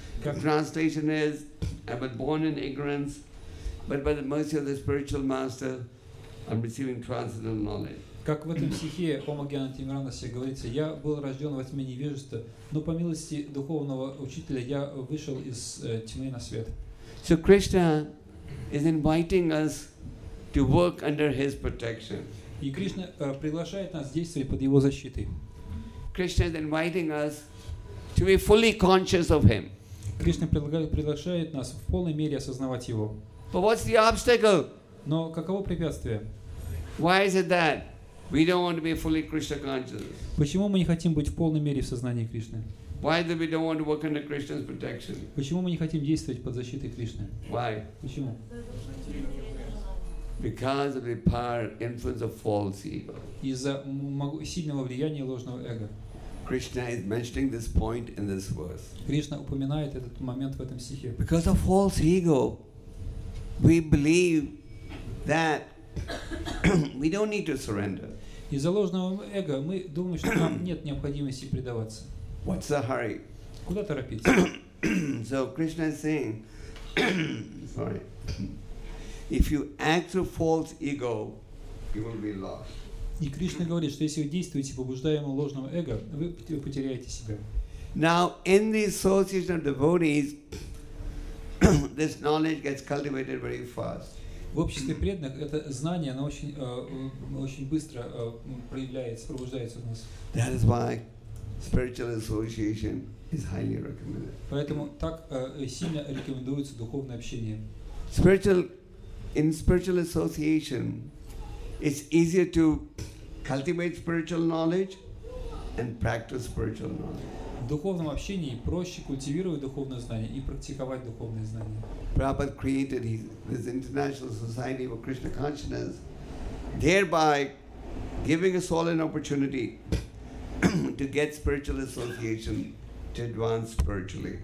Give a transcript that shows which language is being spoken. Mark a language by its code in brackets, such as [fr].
[en] The translation is, I was born in ignorance, but by the mercy of the spiritual master, I'm receiving transcendental knowledge. [ru] Как в этом стихе Ома Гьяна Тимиранасе говорится, я был рожден во тьме невежества, но по милости духовного учителя я вышел из тьмы на свет. [en] So Krishna is inviting us to work under his protection. [ru] И Кришна приглашает нас действовать под его защитой. [en] Krishna is inviting us to be fully conscious of him. [ru] Кришна приглашает нас в полной мере осознавать его. [en] But what's the obstacle? [ru] Но каково препятствие? [en] Why is it that we don't want to be fully Krishna conscious? [ru] Почему мы не хотим быть в полной мере в сознании Кришны? [en] Why do we don't want to work under Krishna's protection? [ru] Почему мы не хотим действовать под защитой Кришны? [en] Why? [ru] Почему? [en] Because of the power influence of false ego. [ru] Из-за сильного влияния ложного эго. [en] Krishna is mentioning this point in this verse. [ru] Кришна упоминает этот момент в этом стихе. [en] Because of false ego, we believe that we don't need to surrender. [ru] Из-за ложного эго мы думаем, что нам нет необходимости предаваться. [en] What's the hurry? [ru] Куда торопиться? [en] So Krishna is saying, sorry, if you act through false ego, you will be lost. [ru] И Кришна говорит, что если вы действуете побуждаемым ложным эго, вы потеряете себя. [en] Now in the association of devotees, this knowledge gets cultivated very fast. [ru] В обществе преданных это знание, оно очень быстро проявляется, пробуждается у нас. [en] That is why spiritual association is highly recommended. [ru] Поэтому так сильно рекомендуется духовное общение. [en] In spiritual association, it's easier to cultivate spiritual knowledge and practice spiritual knowledge. [ru] В духовном общении проще культивировать духовное знание и практиковать духовное знание. [en] Prabhupada created this International Society for Krishna Consciousness, thereby giving us all an opportunity to get spiritual association to advance spiritually.